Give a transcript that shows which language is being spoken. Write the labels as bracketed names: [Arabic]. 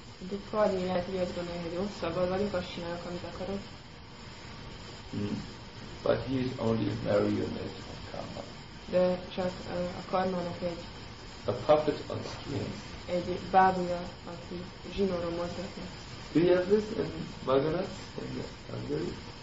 [Hungarian] De kami lehet, hogy azt gondolja, hogy jó, szabad vagyok, azt csinálok, amit akarok. [English] But he is only a marionette of karma. [Hungarian] De csak a karmának egy [English] a puppet on strings. [Hungarian] Egy bábúja, aki zsinóra mozgatja. [English] Do you have this in Magyarats? In Hungary?